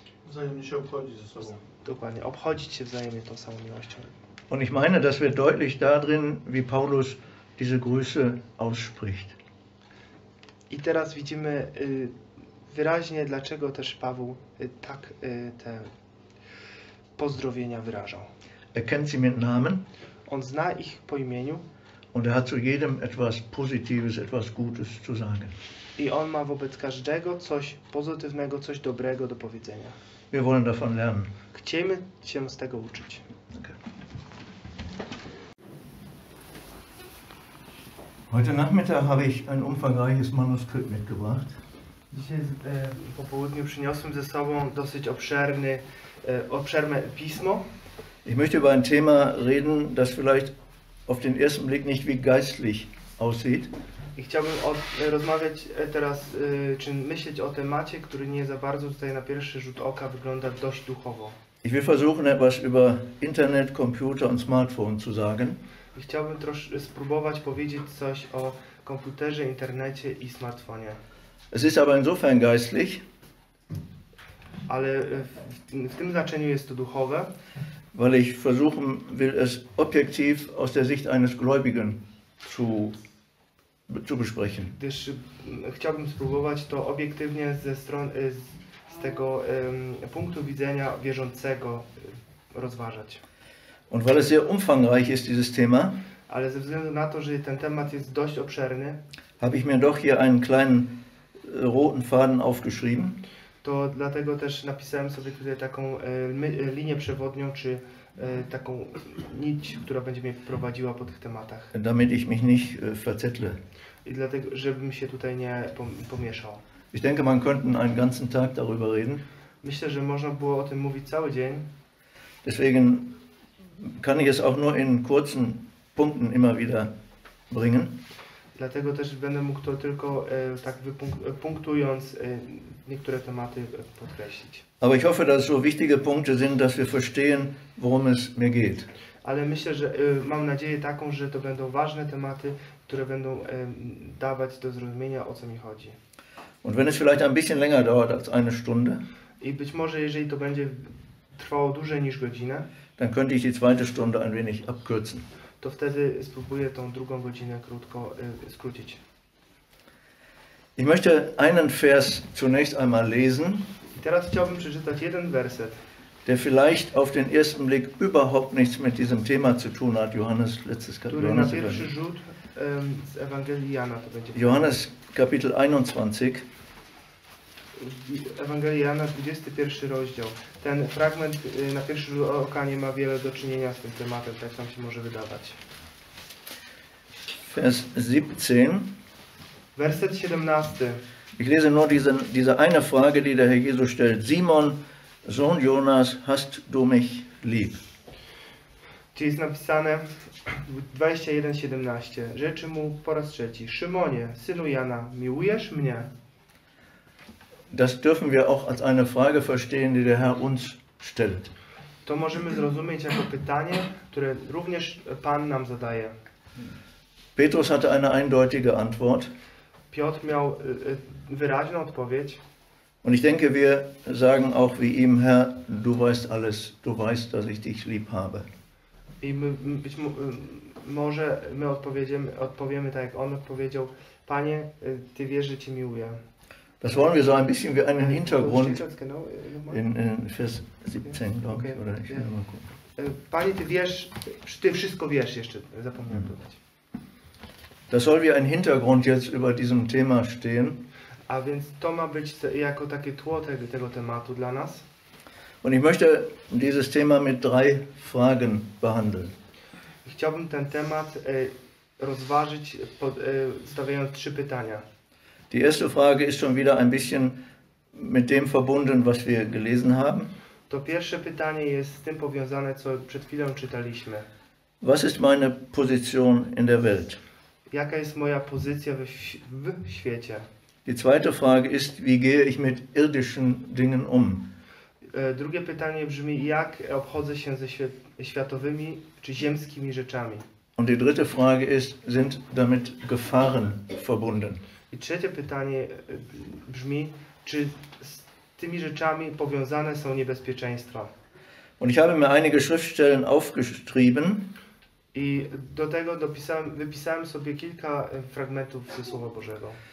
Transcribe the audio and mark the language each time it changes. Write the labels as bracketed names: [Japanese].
[Polish] wzajemnie się obchodzić ze sobą. Dokładnie, obchodzić się wzajemnie tą samą miłością. [German] Und ich meine, das wird deutlich darin, wie Paulus diese Grüße ausspricht. [Polish] I teraz widzimy wyraźnie, dlaczego też Paweł tak te pozdrowienia wyrażał. [German] Er kennt sie mit Namen. [Polish] On zna ich po imieniu. [German] Und er hat zu jedem etwas Positives, etwas Gutes zu sagen. [Polish] I on ma wobec każdego coś pozytywnego, coś dobrego do powiedzenia. [German] Wir wollen davon lernen. [Polish] Chcemy się z tego uczyć. Okay. [German] Heute Nachmittag habe ich ein umfangreiches Manuskript mitgebracht. [Polish] Dzisiaj po południu przyniosłem ze sobą dosyć obszerne pismo. [German] Ich möchte über ein Thema reden, das vielleicht auf den ersten Blick nicht wie geistlich aussieht. [Polish] I chciałbym rozmawiać teraz, czy myśleć o temacie, który nie za bardzo tutaj na pierwszy rzut oka wygląda dość duchowo. [German] Ich will versuchen, etwas über Internet, Computer und Smartphone zu sagen. [Polish] I chciałbym spróbować powiedzieć coś o komputerze, internecie i smartfonie. [German] Es ist aber insofern geistlich. [Polish] Ale w tym znaczeniu jest to duchowe. [German] Weil ich versuchen will, es objektiv aus der Sicht eines Gläubigen zu besprechen. [Polish] Gdyż chciałbym spróbować to obiektywnie z tego punktu widzenia wierzącego rozważać. [German] Und weil es sehr umfangreich ist, dieses Thema, [Polish] ale ze względu na to, że ten temat jest dość obszerny, [German] habe ich mir doch hier einen kleinen roten Faden aufgeschrieben. [Polish] To dlatego też napisałem sobie tutaj taką linię przewodnią, czy taką nić, która będzie mnie prowadziła po tych tematach. [German] Damit ich mich nicht verzettle. [Polish] I dlatego, żebym się tutaj nie pomieszał. [German] Ich denke, man könnten einen ganzen Tag darüber reden. [Polish] Myślę, że można było o tym mówić cały dzień. [German] Deswegen kann ich es auch nur in kurzen Punkten immer wieder bringen. [Polish] Dlatego też będę mógł to tylko tak punktując niektóre tematy podkreślić. [German] Aber ich hoffe, dass es so wichtige Punkte sind, dass wir verstehen, worum es mir geht. [Polish] Ale myślę, że mam nadzieję taką, że to będą ważne tematy, które będą dawać do zrozumienia, o co mi chodzi. [German] Und wenn es vielleicht ein bisschen länger dauert als eine Stunde, [Polish] i być może jeżeli to będzie trwało dłużej niż godzinę, [German] dann könnte ich die zweite Stunde ein wenig abkürzen. [Polish] To wtedy spróbuję tą drugą godzinę krótko skrócić. [German] Ich möchte einen Vers zunächst einmal lesen. [Polish] I teraz chciałbym przeczytać jeden werset, [German] der vielleicht auf den ersten Blick überhaupt nichts mit diesem Thema zu tun hat. Johannes, letztes Kapitel. [Polish] Który na pierwszy rzut z Ewangelii Jana to będzie. [German] Johannes, Kapitel 21. [Polish] Ewangelii Jana, 21 rozdział. Ten fragment na pierwszy rzut oka nie ma wiele do czynienia z tym tematem, tak nam się może wydawać. [German] Vers 17. [Polish] Werset 17. [German] Ich lese nur diese eine Frage, die der Herr Jesus stellt. Simon, Sohn Jonas, hast du mich lieb? [Polish] Tu jest napisane 21:17. Rzeczy mu po raz trzeci. Szymonie, synu Jana, miłujesz mnie? [German] Das dürfen wir auch als eine Frage verstehen, die der Herr uns stellt. [Polish] To możemy zrozumieć jako pytanie, które również Pan nam zadaje. [German] Petrus hatte eine eindeutige Antwort. [Polish] Piotr miał wyraźną odpowiedź. [German] Und ich denke, wir sagen auch wie ihm, Herr, du weißt alles, du weißt, dass ich dich lieb habe. [Polish] I my, być może my odpowiemy tak, jak on odpowiedział, Panie, Ty wiesz, że Cię miłuję. [German] Das wollen wir so ein bisschen wie einen Hintergrund in Vers 17, glaube ich, oder ich werde mal gucken. [Polish] Panie, ty wszystko wiesz, jeszcze zapomniałem dodać. [German] Das soll wie ein Hintergrund jetzt über diesem Thema stehen. [Polish] A więc to ma być jako takie tło tego tematu dla nas. [German] Und ich möchte dieses Thema mit drei Fragen behandeln. [Polish] Chciałbym ten temat rozważyć, stawiając trzy pytania. [German] Die erste Frage ist schon wieder ein bisschen mit dem verbunden, was wir gelesen haben. [Polish] To pierwsze pytanie jest z tym powiązane, co przed chwilą czytaliśmy. [German] Was ist meine Position in der Welt? [Polish] Jaka jest moja pozycja w świecie? [German] Die zweite Frage ist, wie gehe ich mit irdischen Dingen um? [Polish] Drugie pytanie brzmi, jak obchodzę się ze światowymi czy ziemskimi rzeczami? [German] Und die dritte Frage ist, sind damit Gefahren verbunden? [Polish] I trzecie pytanie brzmi, czy z tymi rzeczami powiązane są niebezpieczeństwa? [German] Und ich habe mir einige Schriftstellen aufgeschrieben. [Polish] I do tego wypisałem sobie kilka fragmentów ze Słowa Bożego.